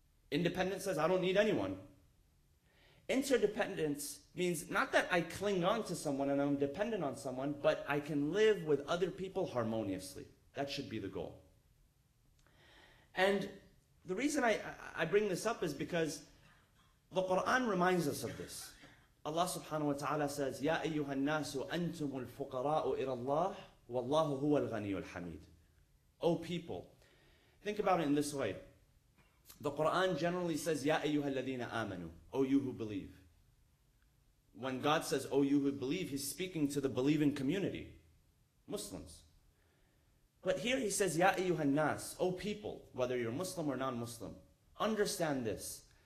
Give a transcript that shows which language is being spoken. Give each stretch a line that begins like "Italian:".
English: Independence says, I don't need anyone. Interdependence means not that I cling on to someone and I'm dependent on someone, but I can live with other people harmoniously. That should be the goal. And the reason I bring this up is because the Quran reminds us of this.
Arabic: Allah subhanahu wa ta'ala says, يَا أَيُّهَا النَّاسُ أَنْتُمُ الْفُقَرَاءُ إِلَى اللَّهِ وَاللَّهُ هُوَ الْغَنِيُّ الْحَمِيدُ.
English: O people, think about it in this way. The Quran generally says,
Arabic: يَا أَيُّهَا الَّذِينَ آمَنُوا,
English: O you who believe. When God says, O you who believe, He's speaking to the believing community, Muslims. But here He says,
Arabic: يَا أَيُّهَا النَّاسُ,
English: O people, whether you're Muslim or non-Muslim, understand this.